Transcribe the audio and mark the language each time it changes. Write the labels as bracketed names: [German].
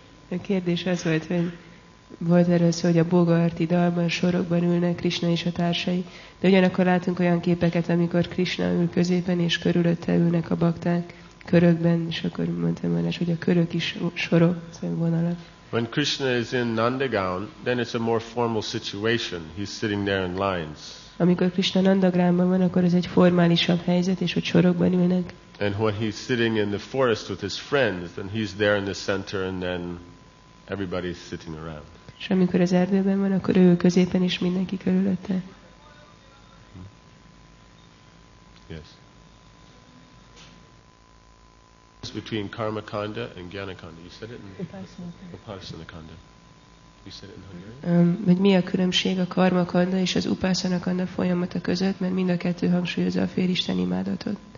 [Hungarian] A kérdés az volt, hogy volt erről szó, hogy a Bogarti dalban sorokban ülnek Krisna és a társai, de ugyanakkor látunk olyan képeket, amikor Krisna ül középen, és körülötte ülnek a bakták körökben, és akkor mondtam volna, hogy a körök is sorok, vonalak. [English] When Krishna is in Nandagaon, then it's a more formal situation. He's sitting there in lines. [Hungarian] Amikor Krishna Nandagaonban van, akkor ez egy formálisabb helyzet, és ott sorokban ülnek. [English] And when he's sitting in the forest with his friends, then he's there in the center, and then everybody's sitting around. [Hungarian] És amikor az erdőben van, akkor ő középen is mindenki körülötte. [English] Yes. Between karmakanda and gyanakanda, you said it in upasanakanda. You said it in Hungarian. [Hungarian] Hogy mi a különbség a karmakanda és az upasanakanda folyamata között, mert mind a kettő hangsúlyozza a félisten imádatot.